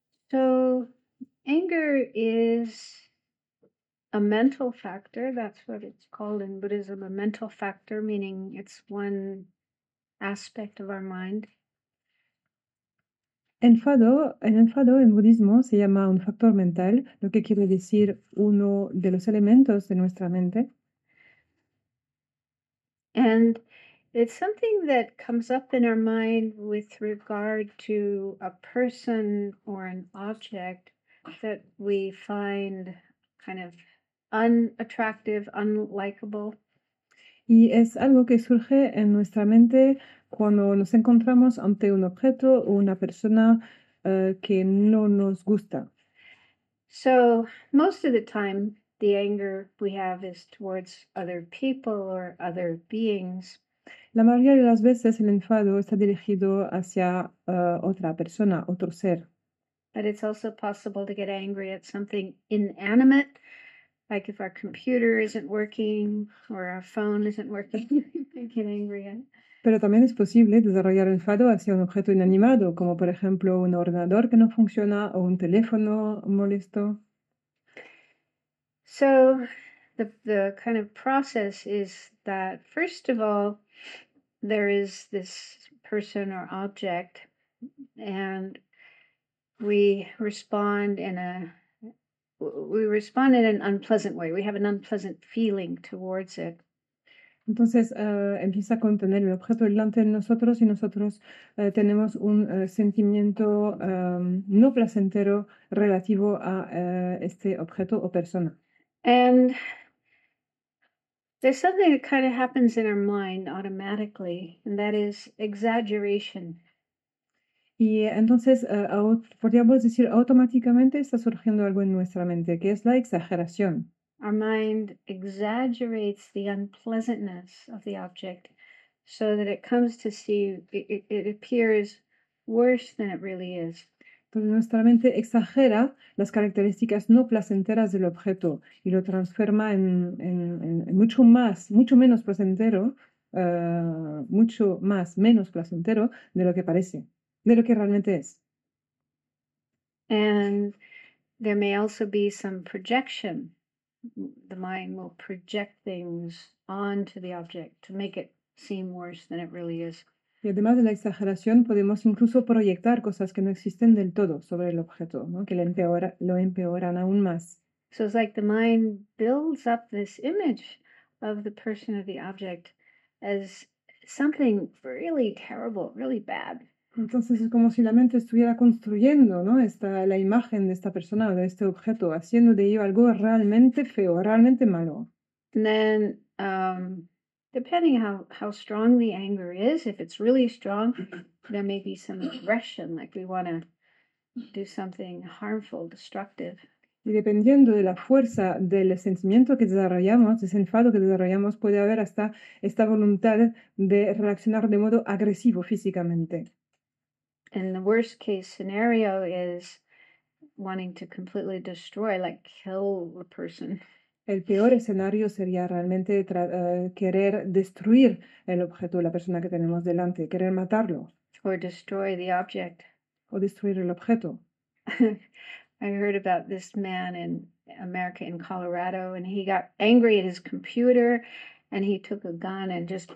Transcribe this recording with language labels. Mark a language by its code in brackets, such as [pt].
[en] So, anger is a mental factor, that's what it's called in Buddhism, a mental factor, meaning it's one aspect of our mind. [es] Enfado, el enfado en budismo se llama un factor mental, lo que quiere decir uno de los elementos de nuestra mente. [en] And it's something that comes up in our mind with regard to a person or an object that we find kind of unattractive, unlikable. [es] Y es algo que surge en nuestra mente cuando nos encontramos ante un objeto o una persona que no nos gusta. [en] So, most of the time, the anger we have is towards other people or other beings. [es] La mayoría de las veces el enfado está dirigido hacia otra persona, otro ser. [en] But it's also possible to get angry at something inanimate, like if our computer isn't working or our phone isn't working, I get angry at. [es] Pero también es posible desarrollar enfado hacia un objeto inanimado, como por ejemplo un ordenador que no funciona o un teléfono molesto. [en] So the kind of process is that first of all, there is this person or object, and we respond in an unpleasant way. We have an unpleasant feeling towards it. [es] Entonces empieza con tener el objeto delante de nosotros y nosotros tenemos un sentimiento no placentero relativo a este objeto o persona. [en] And there's something that kind of happens in our mind automatically, and that is exaggeration. [es] Y entonces podríamos decir automáticamente está surgiendo algo en nuestra mente, que es la exageración. [en] Our mind exaggerates the unpleasantness of the object so that it comes to see it appears worse than it really is. [es] Entonces nuestra mente exagera las características no placenteras del objeto y lo transforma en mucho más, mucho menos placentero, mucho más, menos placentero de lo que parece, de lo que realmente es. [en] And there may also be some projection. The mind will project things onto the object to make it seem worse than it really is. [es] Y además de la exageración, podemos incluso proyectar cosas que no existen del todo sobre el objeto, ¿no? Que lo empeoran aún más. [en] So it's like the mind builds up this image of the person or the object as something really terrible, really bad. [es] Entonces es como si la mente estuviera construyendo, ¿no? La imagen de esta persona o de este objeto, haciendo de ello algo realmente feo, realmente malo. [en] And then, depending how strong the anger is, if it's really strong, there may be some aggression, like we want to do something harmful, destructive. [es] Y dependiendo de la fuerza del sentimiento que desarrollamos, ese enfado que desarrollamos, puede haber hasta esta voluntad de reaccionar de modo agresivo físicamente. [en] And the worst case scenario is wanting to completely destroy, like kill the person. [es] El peor escenario sería realmente querer destruir el objeto, la persona que tenemos delante, querer matarlo [en] Or destroy the object. [es] o destruir el objeto. [en] I heard about this man in America, in Colorado, and he got angry at his computer and he took a gun and just.